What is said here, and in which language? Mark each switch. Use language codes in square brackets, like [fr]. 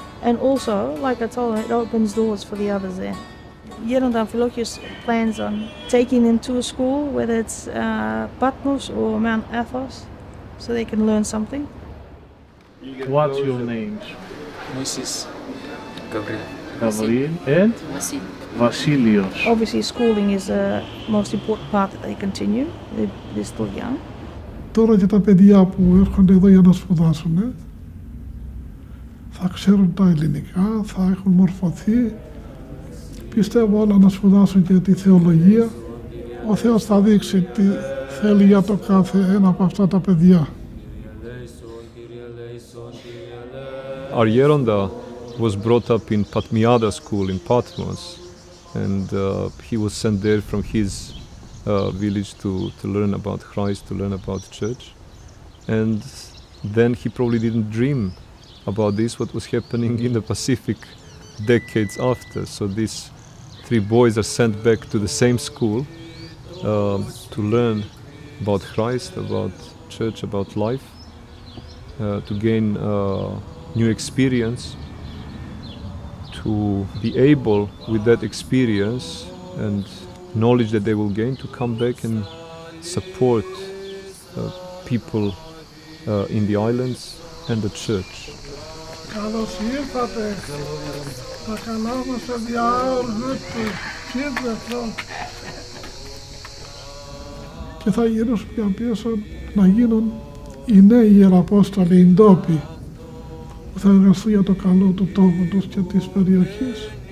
[en] And also, like I told them, it opens doors for the others there. Yerondan Philokios plans on taking them to a school, whether it's Patmos or Mount Athos, so they can learn something. What's your name? Moses. Gabriel. And? Vasilios. Obviously, schooling is the most important part that they continue. They're still young. [el] Τώρα για τα παιδιά που έρχονται εδώ για να σπουδάσουν, θα ξέρουν τα ελληνικά, θα έχουν μορφωθεί. Πιστεύω όλα να σπουδάσουν και τη θεολογία. Ο Θεός θα δείξει τι θέλει για το κάθε ένα από αυτά τα παιδιά. [en] Our Yeronda was brought up in Patmiada school in Patmos, and he was sent there from his village to learn about Christ, to learn about church. And then he probably didn't dream about this, what was happening in the Pacific decades after. So these three boys are sent back to the same school to learn about Christ, about church, about life, to gain new experience, to be able with that experience and knowledge that they will gain to come back and support people in the islands and the church. [el] Καλώς ήρθατε. Τα καλά μας παιδιά, ορδούτε, ήρθε αυτό. Και θα γυρίσουν πια πίσω να γίνουν οι νέοι Ιεραπόστολοι, οι ντόπιοι, που θα εργαστούν για το καλό του τόπου τους και της περιοχής.